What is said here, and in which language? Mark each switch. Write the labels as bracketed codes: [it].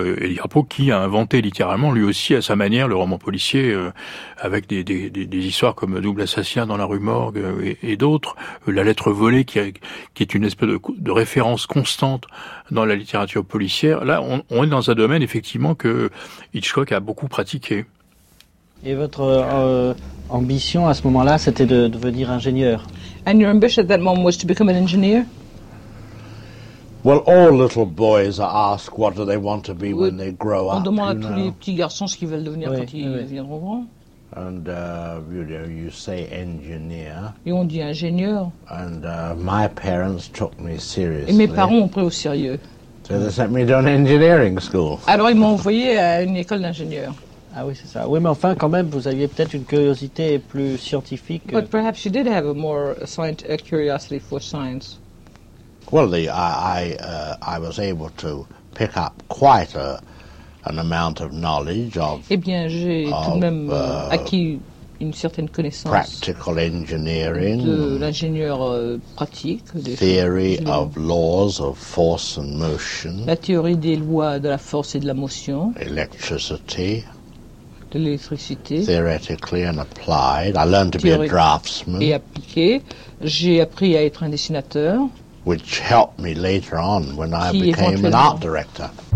[fr] Edgar Poe qui a inventé littéralement lui aussi à sa manière le roman policier, avec des histoires comme Double Assassinat dans la rue Morgue et d'autres, La Lettre Volée qui est une espèce de référence constante dans la littérature policière. Là, on est dans un domaine effectivement que Hitchcock a beaucoup pratiqué. Et votre ambition à ce moment-là, c'était de devenir ingénieur. [en] And your ambition at that moment was to become an engineer? Well, all little boys are asked what do they want to be when they grow up. [fr] On demande à tous les petits garçons ce qu'ils veulent devenir quand ils deviendront grands. [en] And you say engineer. [fr] Et on dit ingénieur. [en] And my parents took me seriously. [fr] Et mes parents ont pris au sérieux. [en] So they sent me to an engineering school. [fr] Alors ils m'ont envoyé à une école d'ingénieurs. Ah oui, c'est ça. Oui, mais enfin, quand même, vous aviez peut-être une curiosité plus scientifique. [en] But perhaps you did have a more a curiosity for science. Well, I was able to pick up quite an amount of knowledge of. [fr] Eh bien, j'ai tout de même acquis une certaine connaissance [en] practical engineering, [fr] de l'ingénieur pratique, [en] des theory of laws of force and motion, [fr] la théorie des lois de la force et de la motion, [en] electricity, [fr] de l'électricité, [en] theoretically and applied. I learned to be a draftsman. [fr] Et appliqué. J'ai appris à être un dessinateur. [en] Which helped me later on when I became an art director.